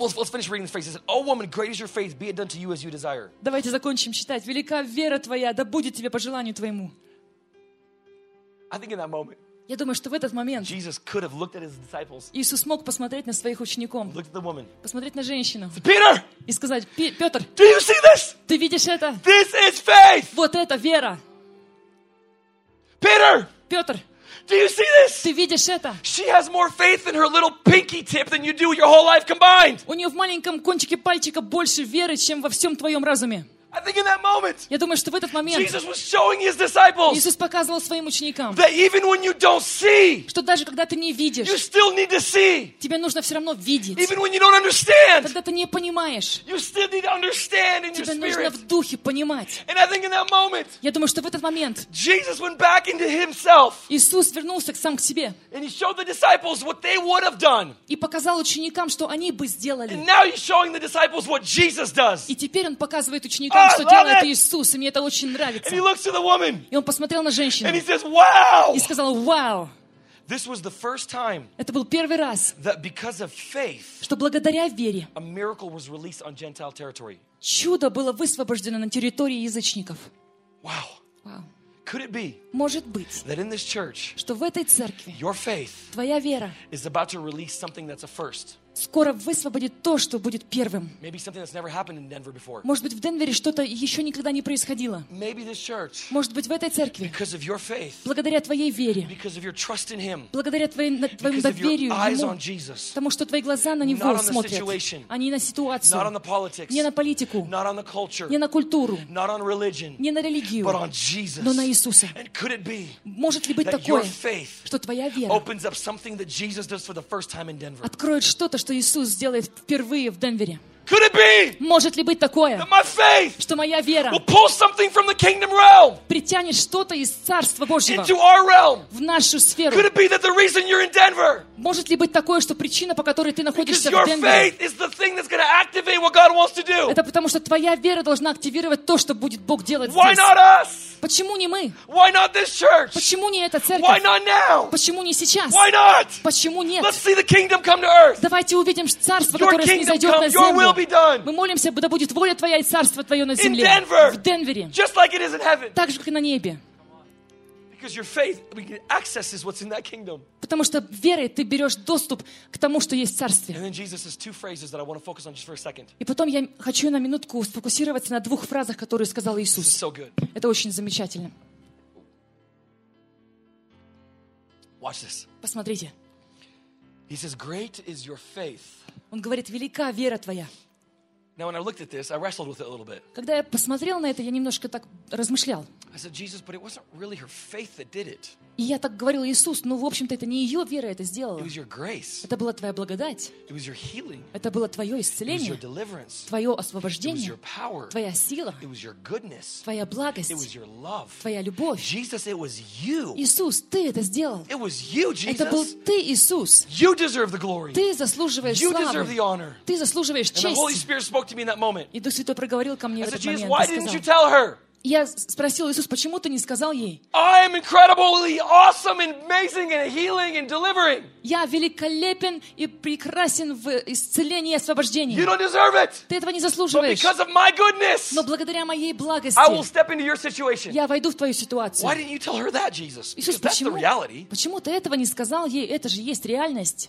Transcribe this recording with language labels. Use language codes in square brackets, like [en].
[en] Let's finish reading this phrase. It says, "O woman, great is your faith; be it done to you as you desire." [ru] Давайте закончим читать. Велика вера твоя, да будет тебе по желанию твоему. [en] I think in that moment. [ru] Я думаю, что в этот момент. [en] Jesus could have looked at his disciples. [ru] Иисус мог посмотреть на своих учеников. [en] Look at the woman. [ru] Посмотреть на женщину. [en] Peter. [ru] И сказать, Петр. [en] Do you see this? [ru] Ты видишь это? [en] This is faith. [ru] Вот это вера. [en] Peter. [ru] Петр. [en] Do you see this? [ru] Ты видишь это? [en] She has more faith in her little pinky tip than you do your whole life combined. [ru] У нее в маленьком кончике пальчика больше веры, чем во всем твоем разуме. [en] I think in that moment, [ru] я думаю, что в этот момент [en] Jesus was showing his disciples, [ru] Иисус показывал своим ученикам, [en] that even when you don't see, [ru] что даже когда ты не видишь, [en] you still need to see, [ru] тебе нужно все равно видеть. [en] Even when you don't understand, [ru] когда ты не понимаешь, [en] you still need to understand in your spirit. [ru] Тебе нужно в духе понимать. [en] And I think in that moment, [ru] я думаю, что в этот момент [en] Jesus went back into himself, [ru] Иисус вернулся сам к себе, [en] and he showed the disciples what they would have done, [ru] и показал ученикам, что они бы сделали. [en] And now he's showing the disciples what Jesus does. [ru] И теперь он показывает ученикам, что делает Иисус, и мне это очень нравится. [en] And he looks to the woman, [ru] и он посмотрел на женщину. [en] And he says, wow! [ru] И сказал, вау! [en] This was the first time, [ru] это был первый раз, [en] that because of faith, [ru] что благодаря вере [en] a miracle was released on Gentile territory. [ru] Чудо было высвобождено на территории язычников. [en] Wow. [ru] Wow. [en] Could it be, [ru] может быть, [en] that in this church, [ru] что в этой церкви [en] your faith, [ru] твоя вера [en] is about to release something that's a first. [ru] Скоро высвободит то, что будет первым. [en] Maybe something that's never happened in Denver before. [ru] Может быть, в Денвере что-то еще никогда не происходило. [en] Maybe this church, [ru] может быть, в этой церкви. [en] Because of your faith, [ru] благодаря твоей вере. [en] Because of your trust in him, [ru] благодаря твоему доверию ему. Потому что твои глаза на него [en] not [ru] смотрят. [en] On the situation, [ru] а не на ситуацию. [en] Not on the politics, [ru] не на политику. [en] Not on the culture, [ru] не на культуру. [en] Not on religion, [ru] не на религию. [en] But on Jesus. [ru] Но на Иисуса. [en] And could it be, [ru] может ли быть такое, что твоя вера [en] opens up something that Jesus does for the first time in Denver? [ru] Откроет что-то, что Иисус сделает впервые в Денвере. [en] Could it be, [ru] может ли быть такое, [en] that my faith, [ru] что моя вера [en] will pull something from the kingdom realm, [ru] притянет что-то из Царства Божьего [en] into our realm, [ru] в нашу сферу? [en] Could it be that the reason you're in Denver, [ru] может ли быть такое, что причина, по которой ты находишься в Денвере, [en] because your faith is the thing that's going to activate what God wants to do? [ru] Это потому, что твоя вера должна активировать то, что будет Бог делать здесь. [en] Why not us? [ru] Почему не мы? [en] Why not this church? [ru] Почему не эта церковь? [en] Why not now? [ru] Почему не сейчас? [en] Why not? [ru] Почему нет? [en] Let's see the kingdom come to earth. [ru] Давайте увидим Царство, которое снизойдет на землю. [en] Your will be done. [ru] Мы молимся, да будет воля твоя и Царство твое на земле. [en] In Denver. [ru] В Денвере. [en] Just like it is in heaven. [ru] Так же, как и на небе. [en] Because your faith accesses what's in that kingdom. [ru] Потому что верой ты берешь доступ к тому, что есть в Царстве. [en] And then Jesus has two phrases that I want to focus on just for a second. [ru] И потом я хочу на минутку сфокусироваться на двух фразах, которые сказал Иисус. [en] This is so good. [ru] Это очень замечательно. [en] Watch this. [ru] Посмотрите. [en] He says, "Great is your faith." [ru] Он говорит, велика вера твоя. [en] Now, when I looked at this, I wrestled with it a little bit. [ru] Когда я посмотрел на это, я немножко так размышлял. [en] I said, "Jesus, but it wasn't really her faith that did it." [ru] И я так говорил, Иисус, ну в общем-то это не ее вера это сделала. [en] It was your grace. [ru] Это была твоя благодать. [en] It was your healing. [ru] Это было твое исцеление. [en] It was your deliverance. [ru] Твое освобождение. [en] It was your power. [ru] Твоя сила. [en] It was your goodness. [ru] Твоя благость. [en] It was your love. [ru] Твоя любовь. [en] Jesus, it was you. [ru] Иисус, ты это сделал. [en] It was you, Jesus. [ru] Это был ты, Иисус. [en] You deserve the glory. [ru] Ты заслуживаешь славы. [en] You deserve the honor. [ru] Ты заслуживаешь честь. [en] And the Holy Spirit spoke to me in that moment. [ru] И Дух Святой проговорил ко мне в этот момент. [en] I said, Jesus, why didn't you tell her? [ru] Я спросил Иисус, почему ты не сказал ей? [en] I am incredibly awesome and amazing and healing and delivering. [ru] Я великолепен и прекрасен в исцелении и освобождении. [en] You don't deserve it. [ru] Ты этого не заслуживаешь. [en] But because of my goodness, [ru] но благодаря моей благости, [en] I will step into your situation. [ru] Я войду в твою ситуацию. [en] Why didn't you tell her that, Jesus? [ru] Иисус, почему ты этого не сказал ей? Это же есть реальность.